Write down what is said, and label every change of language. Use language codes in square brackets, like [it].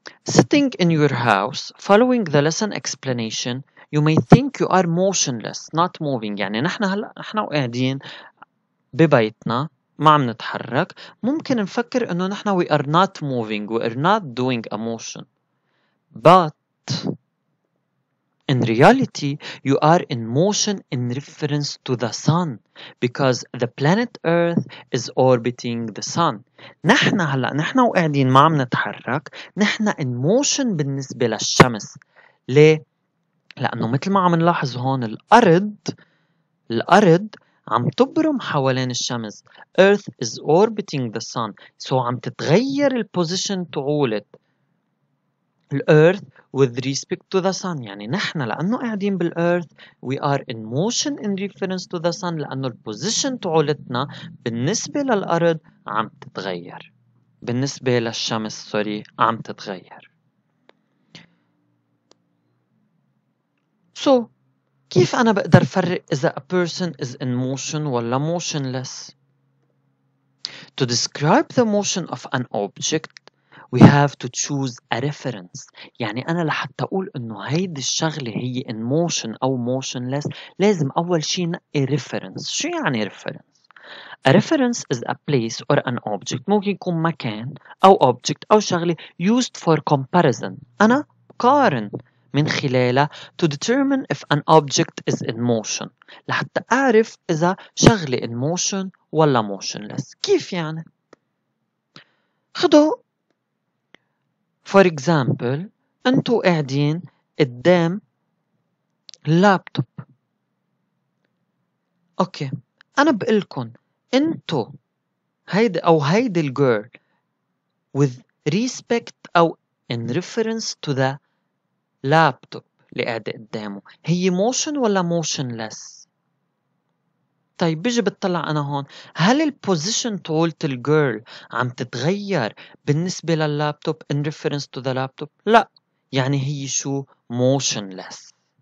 [en] Sitting in your house, following the lesson explanation, you may think you are motionless, not moving. [ar] يعني نحن هلأ نحن وقاعدين ببيتنا ما عم نتحرك. ممكن نفكر إنه نحن [en] we are not moving, we are not doing a motion. But In reality, you are in motion in reference to the sun because the planet Earth is orbiting the sun. [ar] نحن هلا نحن وقاعدين ما عم نتحرك، نحن in motion بالنسبة للشمس. ليه؟ لأنه مثل ما عم نلاحظ هون الأرض عم تبرم حوالين الشمس. [en] Earth is orbiting the sun. [ar] So عم تتغير البوزيشن تعولت. [en] الأرض with respect to the sun. [ar] يعني نحن لأنه قاعدين بالأرض [en] we are in motion in reference to the sun [ar] لأنه البوزيشن تعولتنا بالنسبة للأرض عم تتغير. بالنسبة للشمس سوري عم تتغير. [en] So [ar] كيف أنا بقدر فرق إذا [en] a person is in motion ولا motionless؟ To describe the motion of an object, we have to choose a reference. [ar] يعني أنا لحتى أقول إنه هيدي الشغلة هي in motion أو motionless لازم أول شيء نقي reference. شو يعني [en] reference؟ A reference is a place or an object. [ar] ممكن يكون مكان أو object أو شغلة [en] used for comparison. [ar] أنا قارن من خلاله [en] to determine if an object is in motion [ar] لحتى أعرف إذا شغلي in motion ولا motionless. كيف يعني؟ خدوا for example أنتوا قاعدين قدام اللابتوب. أوكي أنا بقلكن أنتوا هيدا أو هيدا الgirl with respect أو in reference to the لابتوب اللي قاعدة قدامه هي motion ولا motionless؟ طيب بيجي بتطلع أنا هون هل البوزيشن طولت الجيرل عم تتغير بالنسبة لللابتوب [en] in reference to the laptop؟ [ar] لا يعني هي شو motionless.